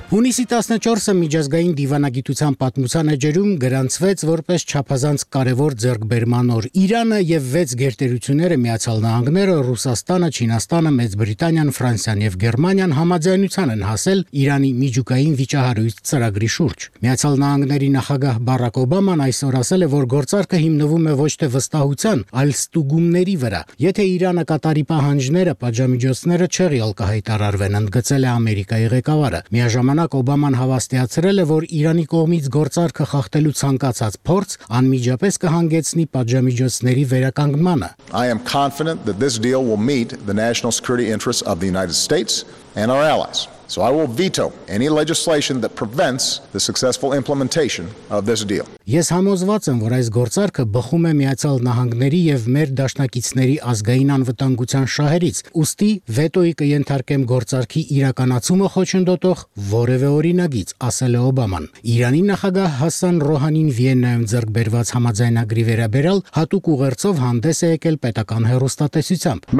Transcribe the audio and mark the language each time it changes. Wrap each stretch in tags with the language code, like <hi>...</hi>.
<hy>Հունիսի 14-ը միջազգային դիվանագիտության պատմության էջերում գրանցվեց որպես չափազանց կարևոր ձեռքբերման օր։ Իրանը և 6 Գերտերությունները Միացյալ Նահանգները, Ռուսաստանը, Չինաստանը, Մեծ Բրիտանիան, Ֆրանսիան և Գերմանիան համաձայնության են հասել Իրանի միջուկային վիճահարույց ծրագրի շուրջ։ Միացյալ Նահանգների նախագահ Բարակ Օբաման այսօր ասել է, որ գործարքը հիմնվում է ոչ թե վստահության, այլ ստուգումների վրա։ Եթե Իրանը կատարի պահանջները, պատժամիջոցները չեղյալ կհայտարարվեն, ընդգծել է Ամերիկայի ղեկավարը։ Միաժամանակ Օբաման հավաստիացրել է, որ Իրանի կողմից գործարքը խախտելու ցանկացած փորձ անմիջապես կհանգեցնի պատժամիջոցների վերականգնմանը։</hy> <en>I am confident that this deal will meet the national security interests of the United States and our allies. So I will veto any legislation that prevents the successful implementation of this deal.</en> <hy>Ես համոզված եմ, որ այս գործարքը բխում է Միացյալ Նահանգների եւ մեր դաշնակիցների ազգային անվտանգության շահերից։ Ուստի վետոյի կենթարկեմ գործարքի իրականացումը խոչընդոտող որևէ օրինագից, ասել է Օբաման։ Իրանի նախագահ Հասան Ռոհանին Վիեննայում ձեռք բերված համաձայնագրի վերաբերյալ հատուկ ուղերձով հանդես է եկել պետական հեռուստատեսությամբ։</hy>